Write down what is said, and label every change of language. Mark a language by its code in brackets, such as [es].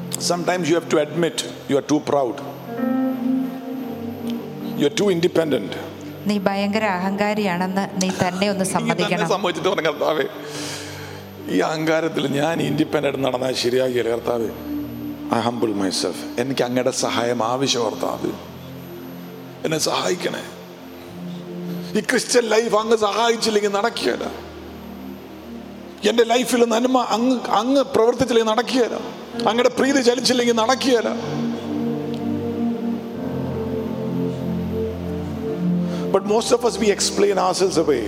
[en] Sometimes you have to admit you are too proud. You are too independent. [ml] നീ ഭയങ്കര അഹങ്കാരിയാണെന്ന് നീ തന്നെ ഒന്ന് സമ്മതിക്കണം. ഞാൻ സമ്മതിച്ചിട്ട് പറഞ്ഞ കർത്താവേ, ഈ അഹങ്കാരത്തിൽ ഞാൻ ഇൻഡിപെൻഡന്റ് നടന്നാൽ ശരിയാകിയല്ലേ കർത്താവേ? [en] I humble myself. [ml] എനിക്ക് അങ്ങയുടെ സഹായം ആവശ്യമാണ്. എന്നെ സഹായിക്കണേ. ഈ ക്രിസ്ത്യൻ ലൈഫ് അങ്ങ് സഹായിച്ചില്ലെങ്കിൽ നടക്കുകയില്ല. എന്റെ ലൈഫിൽ നന്മ അങ്ങ് അങ്ങ് പ്രവർത്തിച്ചില്ലെങ്കിൽ നടക്കുകയില്ല. അങ്ങയുടെ പ്രീതി ചലിച്ചില്ലെങ്കിൽ നടക്കുകയില്ല. [en] But most of us, we explain ourselves away.